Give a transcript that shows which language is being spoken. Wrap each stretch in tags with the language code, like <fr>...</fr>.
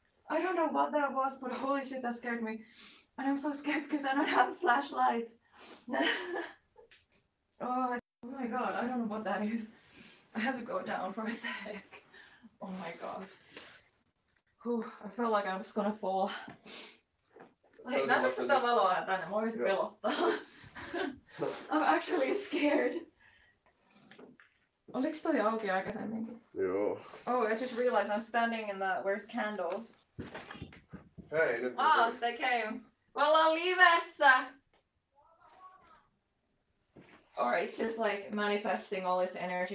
<en>I don't know what that was, but holy shit, that scared me. And I'm so scared because I don't have a flashlight. Oh my god, I don't know what that is. I have to go down for a sec. Oh my god. Whew, I feel like I'm just gonna fall.</en> <fi>Hei, näetkö sitä valoa tänne? Mua olisi pelottaa.</fi> <en>I'm actually scared.</en> <fi>Oliko toi auki aikaisemmin? Joo.</fi> <en>Oh, I just realized I'm standing in the... Where's candles?</en> <fi>Hei, nyt...</fi> <en>Ah, oh, they came.</en> <fi>Me ollaan livessä!</fi> <en>Or it's just like manifesting all its energy.</en>